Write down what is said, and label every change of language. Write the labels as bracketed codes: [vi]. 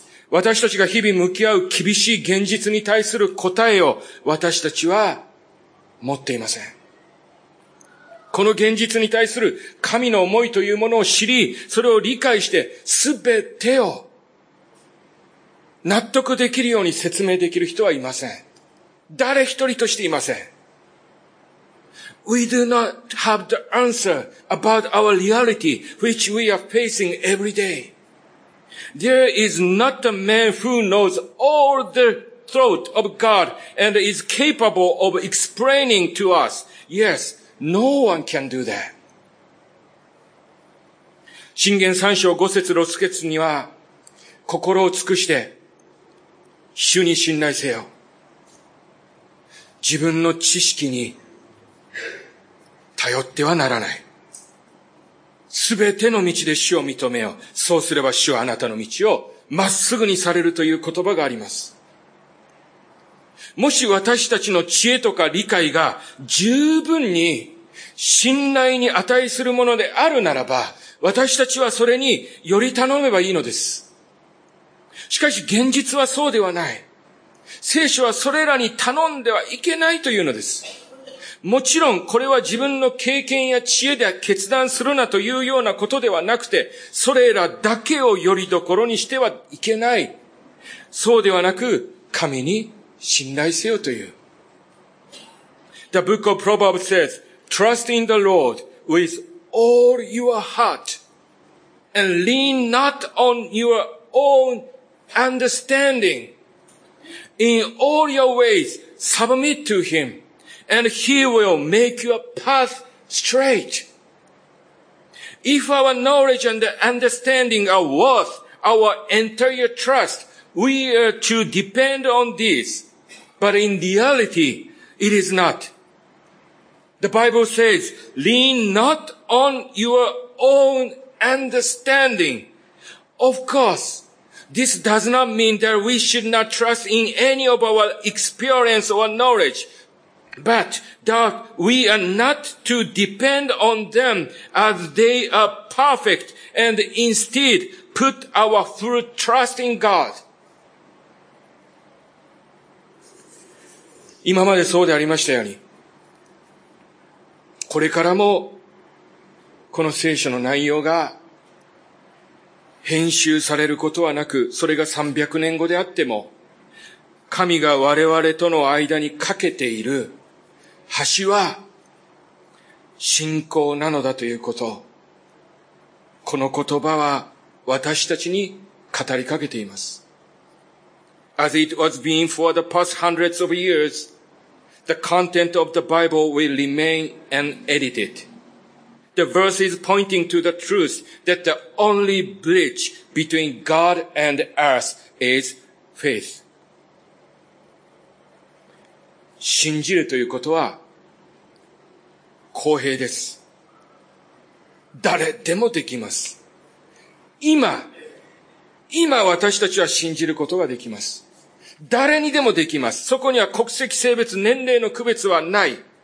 [ja] 私たちが日々向き合う厳しい現実に対する答えを私たちは持っていません。この現実に対する神の思いというものを知り、それを理解して、すべてを納得できるように説明できる人はいません。誰一人としていません。 [en] We do not have the answer about our reality which we are facing every day. There is not a man who knows all the thought of God and is capable of explaining to us. Yes, no one can do that. [ja] 箴言三章五節六節には、心を尽くして、主に信頼せよ。自分の知識に頼ってはならない。すべての道で主を認めよ。そうすれば主はあなたの道をまっすぐにされるという言葉があります。もし私たちの知恵とか理解が十分に信頼に値するものであるならば、私たちはそれにより頼めばいいのです。しかし現実はそうではない。聖書はそれらに頼んではいけないというのです。もちろんこれは自分の経験や知恵で決断するなというようなことではなくて、それらだけをよりどころにしてはいけない。そうではなく、神に信頼せよという。 [en] The book of Proverbs says, Trust in the Lord with all your heart and lean not on your own understanding. In all your ways, submit to him, and he will make your path straight. If our knowledge and understanding are worth our entire trust, we are to depend on this. But in reality, it is not. The Bible says, lean not on your own understanding. Of course,This does not mean that we should not trust in any of our experience or knowledge, but that we are not to depend on them as they are perfect and instead put our full trust in God. [ja] 今までそうでありましたように、これからもこの聖書の内容が編集されることはなく、それが300年後であっても、神が我々との間にかけている橋は信仰なのだということ、この言葉は私たちに語りかけています。 [en] As it was been for the past hundreds of years, the content of the Bible will remain unedited. The verses pointing to the truth that the only bridge between God and us is faith. [ja] 信じるということは公平です。誰でもできます。今私たちは信じることができます。誰にでもできます。そこには国籍、性別、年齢の区別はない。